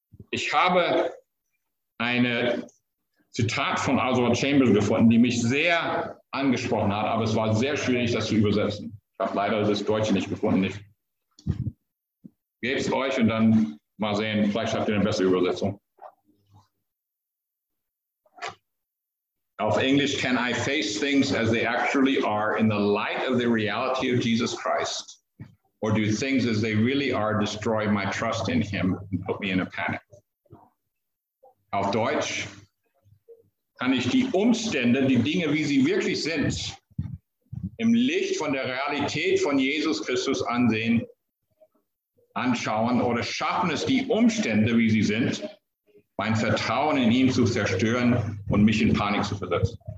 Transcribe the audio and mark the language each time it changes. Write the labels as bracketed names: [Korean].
[German] Ich habe ein Zitat von Ezra Chamberlain gefunden, die mich sehr angesprochen hat, aber es war sehr schwierig, das zu übersetzen. Ich habe leider das Deutsche nicht gefunden. Ich gebe es euch und dann mal sehen, vielleicht habt ihr eine bessere Übersetzung. Auf Englisch, [English] can I face things as they actually are in the light of the reality of Jesus Christ? Or do things as they really are destroy my trust in him and put me in a panic? [German] Auf Deutsch, kann ich die Umstände, die Dinge, wie sie wirklich sind, im Licht von der Realität von Jesus Christus anschauen oder schaffen es die Umstände, wie sie sind, mein Vertrauen in ihn zu zerstören und mich in Panik zu versetzen.